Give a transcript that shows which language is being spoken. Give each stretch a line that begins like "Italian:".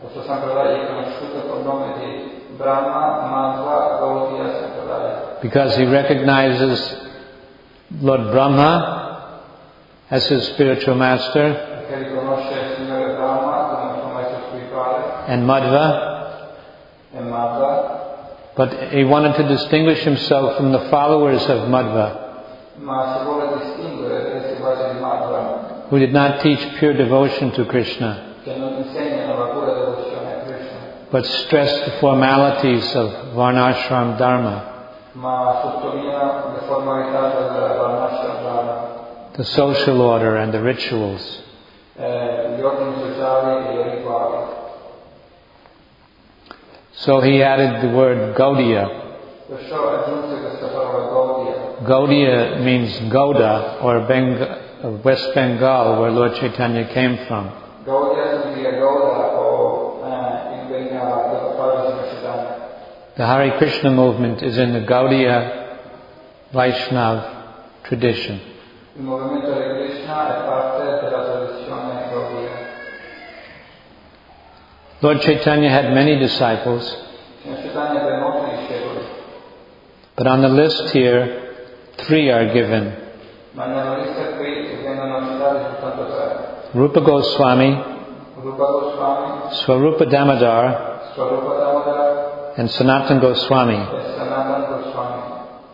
Italian: Questo sampradaya è conosciuto col nome di Brahma Madhva Gaudiya Sampradaya.
English: Because he recognizes Lord Brahma as his spiritual master.
Italian: Perché riconosce il Signore Brahma come suo maestro spirituale.
English: And Madhva.
Italian: E Madhva.
English: But he wanted to distinguish himself from the followers of Madhva.
Italian: Ma si vuole distinguere dai seguaci di Madhva.
English: who did not teach pure devotion to Krishna,
Italian: che non insegnano la pura devozione a Krishna,
English: but stressed the formalities of Varnashram Dharma.
Italian: Ma sottolineano le formalità del Varnashram Dharma.
English: The social order and the rituals.
Italian: Gli ordini sociali e i rituali.
English: So he added the word Gaudiya.
Italian: Perciò aggiunse questa parola Gaudiya.
English: Gaudiya means Gauda or West Bengal, where Lord Chaitanya came from.
Italian: Gaudiya significa Gauda o in Bengal, dove si trova.
English: The Hare Krishna movement is in the Gaudiya Vaishnav tradition.
Italian: Il movimento di Krishna è parte della tradizione Gaudiya.
English: Lord Chaitanya had many disciples, but on the list here, three are given. Rupa Goswami, Swarupa Damodar, and Sanatan Goswami.